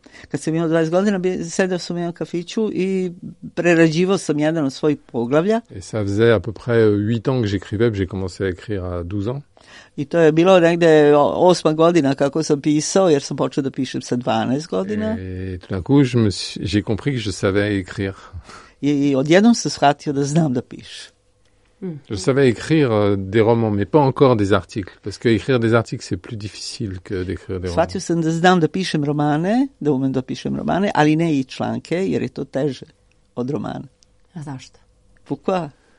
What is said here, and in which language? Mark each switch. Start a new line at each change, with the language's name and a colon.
Serbian: Kad sam imao 20 godina, sedao sam u jednom kafiću i prerađivao sam jedan od svojih poglavlja.
French: Et ça faisait à peu près 8 ans que j'écrivais, j'ai commencé à écrire à 12 ans.
Serbian: I to je bilo negde 8 godina kako sam pisao, jer sam počeo da pišem sa 12 godina.
French: Et tout d'un coup, j'ai compris que je savais écrire.
Serbian: I odjednom sam shvatio da znam da pišem.
French: Je savais écrire des romans, mais pas encore des articles, parce que écrire des articles, c'est plus difficile que d'écrire des romans.
Serbian: Shvatio sam da znam da pišem romane, da umem da pišem romane, ali ne i članke, jer je to teže od romana. A zašto?
French: Pourquoi?